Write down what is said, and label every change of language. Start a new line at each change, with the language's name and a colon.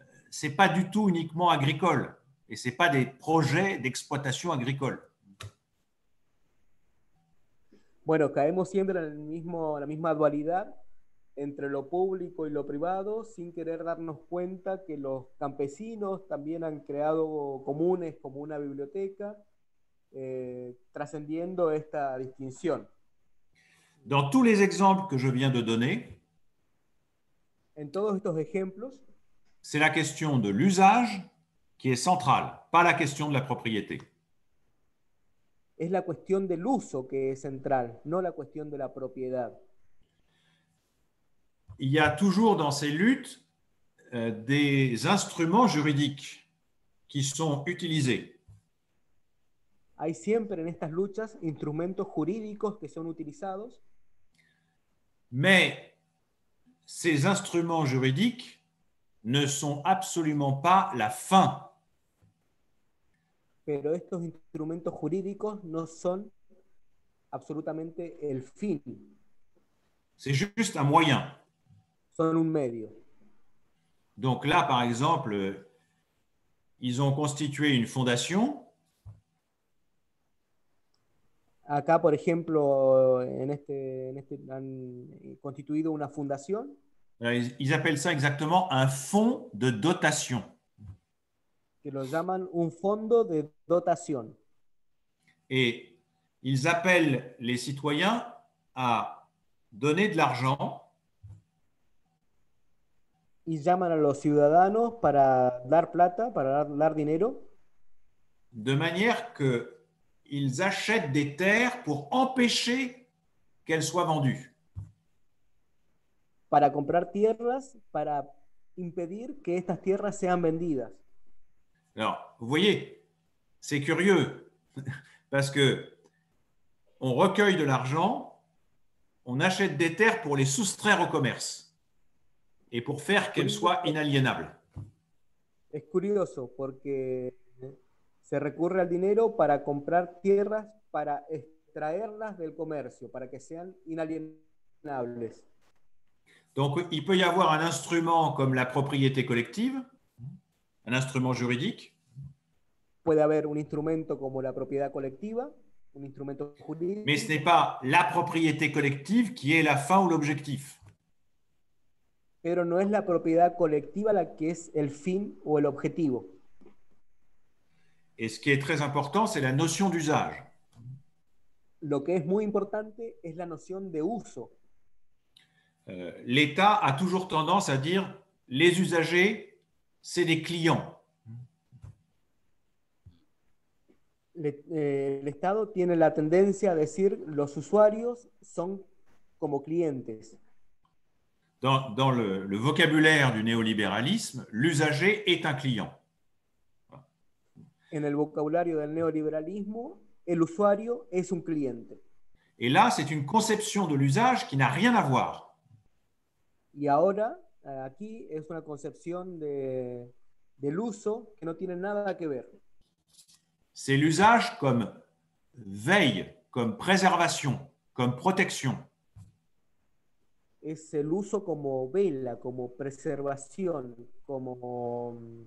French: Ce n'est pas du tout uniquement agricole. Et ce n'est pas des projets d'exploitation agricole.
Spanish: Bueno, caemos siempre en la misma dualidad entre lo público y lo privado, sin querer darnos cuenta que los campesinos también han creado comunes como una biblioteca, trascendiendo esta distinción.
French: Dans tous les exemples que je viens de donner,
Spanish: en todos estos ejemplos,
French: c'est la question de l'usage qui est centrale, pas la question de la propriété.
Spanish: Es la cuestión del uso que es central, no la cuestión de la propiedad.
French: Il y a toujours dans ces luttes des instruments juridiques qui sont utilisés.
Spanish: Hay siempre en estas luchas instrumentos jurídicos que son utilizados.
French: Mais ces instruments juridiques ne sont absolument pas la fin.
Spanish: Pero estos instrumentos jurídicos no son absolutamente el fin.
French: C'est juste un moyen.
Spanish: Son un medio.
French: Donc là, par exemple, ils ont constitué une fondation.
Spanish: Acá, por ejemplo, han constituido una fundación.
French: Ils appellent ça exactement un fonds de dotation.
Spanish: Que lo llaman un fondo de dotación.
French: Et ils appellent les citoyens à donner de l'argent.
Spanish: Y llaman a los ciudadanos para dar plata, para dar dinero.
French: De manière que ils achètent des terres pour empêcher qu'elles soient vendues.
Spanish: Para comprar tierras, para impedir que estas tierras sean vendidas.
French: Alors, vous voyez, c'est curieux, parce que on recueille de l'argent, on achète des terres pour les soustraire au commerce et pour faire qu'elles soient inaliénables.
Spanish: Es curioso porque se recurre al dinero para comprar tierras para extraerlas del comercio para que sean inaliénables.
French: Donc, il peut y avoir un instrument comme la propriété collective, un instrument juridique.
Spanish: Puede haber un instrumento como la propiedad colectiva, un instrumento jurídico.
French: Mais ce n'est pas la propriété collective qui est la fin ou l'objectif.
Spanish: Pero no es la propiedad colectiva la que es el fin o el objetivo.
French: Et ce qui est très important, c'est la notion d'usage.
Spanish: Lo que es muy importante es la noción de uso.
French: L'État a toujours tendance à dire les usagers, c'est des clients.
Spanish: El Estado tiene la tendencia a decir los usuarios son como clientes.
French: Dans le vocabulaire du néolibéralisme, l'usager est un client.
Spanish: En el vocabulario del neoliberalismo, el usuario es un cliente.
French: Et là, c'est une conception de l'usage qui n'a rien à voir.
Spanish: Y ahora, aquí es una concepción de del uso que no tiene nada que ver.
French: C'est l'usage comme veille, comme préservation, comme protection.
Spanish: Es el uso como vela, como preservación, como